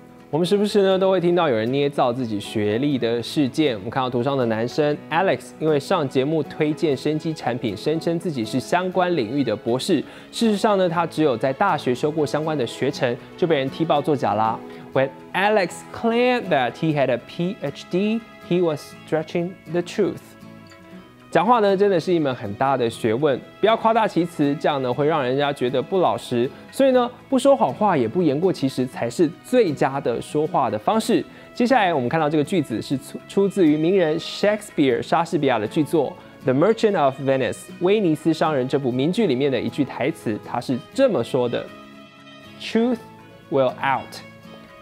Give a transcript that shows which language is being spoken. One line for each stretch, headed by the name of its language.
Chinese: 我们时不时呢都会听到有人捏造自己学历的事件。我们看到图上的男生 Alex， 因为上节目推荐生技产品，声称自己是相关领域的博士，事实上呢他只有在大学修过相关的学程，就被人踢爆作假啦。
English: When Alex claimed that he had a PhD, he was stretching the truth。
Chinese: 讲话呢，真的是一门很大的学问，不要夸大其词，这样呢会让人家觉得不老实。所以呢，不说谎话也不言过其实，才是最佳的说话的方式。接下来我们看到这个句子是出自于名人 Shakespeare 莎士比亚的剧作《The Merchant of Venice》威尼斯商人这部名剧里面的一句台词，他是这么说的 ：
English: “Truth will out。”